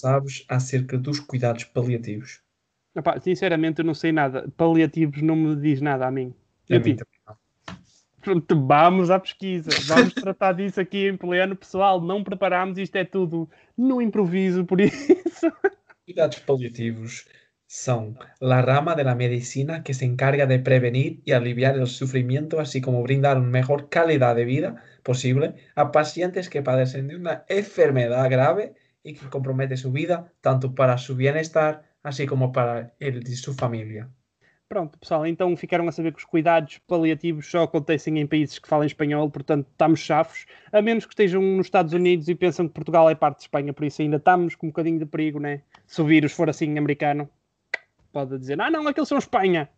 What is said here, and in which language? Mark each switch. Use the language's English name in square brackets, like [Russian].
[Portuguese] sabes acerca dos cuidados paliativos? Epá, sinceramente, eu não sei nada. Paliativos não me diz nada a mim. E a A mim ti? também Pronto, vamos à pesquisa. não. Vamos tratar disso aqui em pleno. Pessoal, não preparámos. Isto é tudo no improviso, por isso. [Spanish] Cuidados paliativos são la rama de la medicina que se encarga de prevenir y aliviar el sufrimiento, así como brindar una mejor calidad de vida posible a pacientes que padecen de una enfermedad grave y que compromete su vida tanto para su bienestar, así como para el de su familia. [Portuguese] Pronto, pessoal, então ficaram a saber que os cuidados paliativos só acontecem em países que falam espanhol, portanto estamos chafos, a menos que estejam nos Estados Unidos e pensam que Portugal é parte de Espanha, por isso ainda estamos com um bocadinho de perigo, né? Se o vírus for assim americano, pode dizer, ah não, aqueles são Espanha.